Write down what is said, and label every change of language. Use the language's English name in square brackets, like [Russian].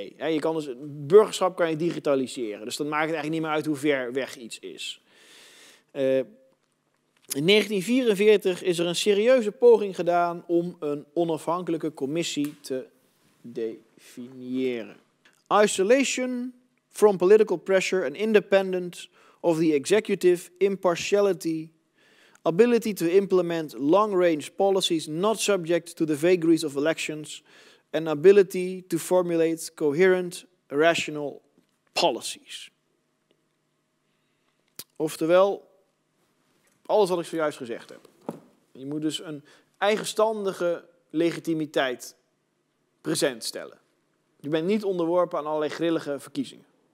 [Dutch] Je kan dus, burgerschap kan je digitaliseren, dus dan maakt het eigenlijk niet meer uit hoe ver weg iets is. In 1944 is er een serieuze poging gedaan om een onafhankelijke commissie te definiëren. [English] Isolation from political pressure and independent of the executive, impartiality, ability to implement long-range policies not subject to the vagaries of elections, and ability to formulate coherent, rational policies. [Dutch] Oftewel, alles wat ik zojuist gezegd heb. Je moet dus een eigenstandige legitimiteit present stellen. Je bent niet onderworpen aan allerlei grillige verkiezingen.